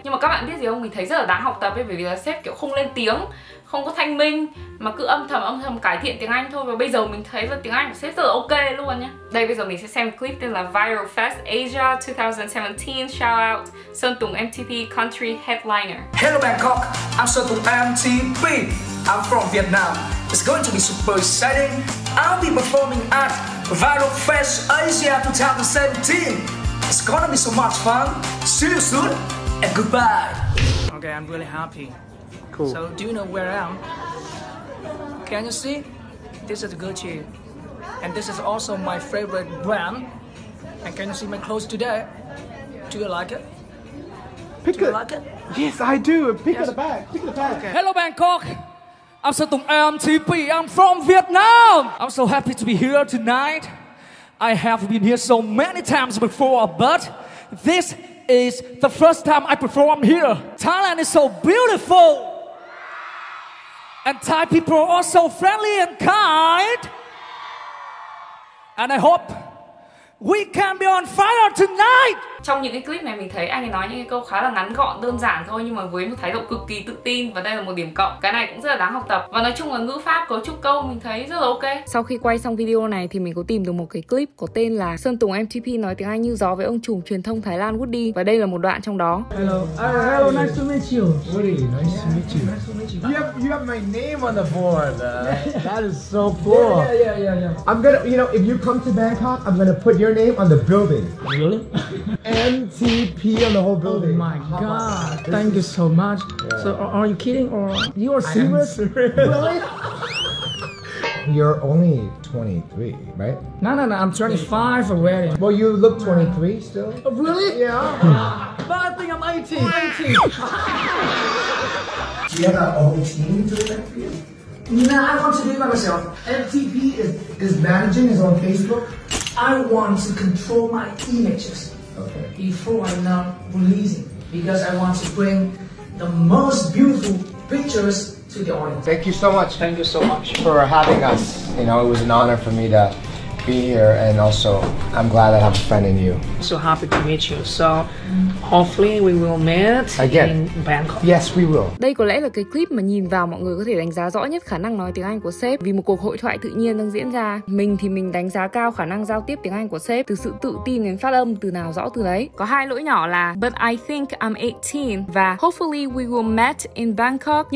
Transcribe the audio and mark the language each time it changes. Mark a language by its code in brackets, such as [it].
[vi] Nhưng mà các bạn biết gì không, mình thấy rất là đáng học tập ấy, bởi vì là sếp kiểu không lên tiếng, không có thanh minh mà cứ âm thầm cải thiện tiếng Anh thôi. Và bây giờ mình thấy là tiếng Anh của sếp rất là ok luôn nhá. Đây, bây giờ mình sẽ xem clip tên là Viral Fest Asia 2017 Shout out Sơn Tùng MTP Country Headliner. [en] Hello Bangkok, I'm Sơn Tùng MTP. I'm from Vietnam. It's going to be super exciting. I'll be performing at Viral Fest Asia 2017. It's gonna be so much fun. See you soon and goodbye. Okay, I'm really happy. Cool. So do you know where I am? Can you see? This is Gucci. And this is also my favorite brand. And can you see my clothes today? Do you like it? Pick do it. You like it? Yes, I do. Pick yes. the bag. Okay. Hello Bangkok. I'm Sơn Tùng MTP, I'm from Vietnam. I'm so happy to be here tonight. I have been here so many times before, but this is the first time I perform here. Thailand is so beautiful. And Thai people are so friendly and kind. And I hope we can be on fire tonight. [vi] Trong những cái clip này mình thấy anh ấy nói những cái câu khá là ngắn gọn, đơn giản thôi, nhưng mà với một thái độ cực kỳ tự tin. Và đây là một điểm cộng, cái này cũng rất là đáng học tập. Và nói chung là ngữ pháp, cấu trúc câu mình thấy rất là ok. Sau khi quay xong video này thì mình có tìm được một cái clip có tên là Sơn Tùng MTP nói tiếng Anh như gió với ông chùm truyền thông Thái Lan Woody. Và đây là một đoạn trong đó. [en] Hello, nice to meet you. Woody, nice to meet you. You have my name on the board. That is so cool. Yeah. I'm gonna, you know, if you come to Bangkok, I'm gonna put your name on the building. Really? MTP on the whole building. Oh my god, thank you so much. Yeah. So are you kidding or you are serious? I am serious. Really? You're only 23, right? No, I'm 25 already. Well, you look 23 still. Oh, really? Yeah. But I think I'm 18. Do you have an old team to MTP? Nah, I want to do it by myself. MTP is managing his own Facebook. I want to control my images. Okay. Before I'm not releasing, because I want to bring the most beautiful pictures to the audience. Thank you so much. Thank you so much for having us. You know, it was an honor for me to be here, and also I'm glad I have a friend in you. So happy to meet you. So hopefully we will meet again in Bangkok. Yes, we will. [vi] Đây có lẽ là cái clip mà nhìn vào mọi người có thể đánh giá rõ nhất khả năng nói tiếng Anh của sếp, vì một cuộc hội thoại tự nhiên đang diễn ra. Mình thì mình đánh giá cao khả năng giao tiếp tiếng Anh của sếp, từ sự tự tin đến phát âm, từ nào rõ từ đấy. Có hai lỗi nhỏ là [en] but I think I'm 18 [vi] và [en] hopefully we will meet in Bangkok.